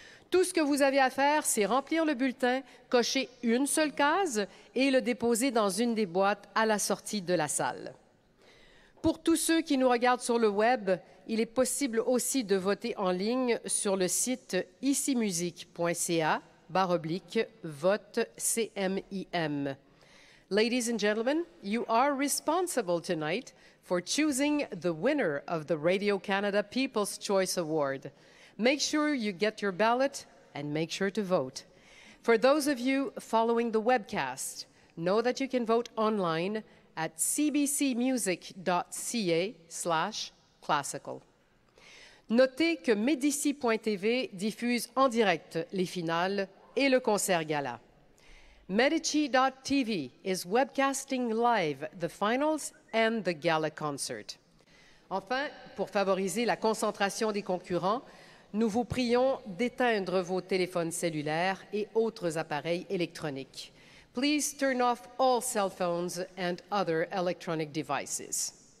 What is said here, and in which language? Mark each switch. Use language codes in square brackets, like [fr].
[fr] Tout ce que vous avez à faire, c'est remplir le bulletin, cocher une seule case et le déposer dans une des boîtes à la sortie de la salle. Pour tous ceux qui nous regardent sur le web, il est possible aussi de voter en ligne sur le site icimusique.ca/vote-CMIM. [en] Ladies and gentlemen, you are responsible tonight for choosing the winner of the Radio Canada People's Choice Award. Make sure you get your ballot and make sure to vote. For those of you following the webcast, know that you can vote online at cbcmusic.ca/classical. [fr] Notez que Medici.tv diffuse en direct les finales et le concert gala. [en] Medici.tv is webcasting live the finals and the gala concert. [fr] Enfin, pour favoriser la concentration des concurrents, nous vous prions d'éteindre vos téléphones cellulaires et autres appareils électroniques. [en] Please turn off all cell phones and other electronic devices.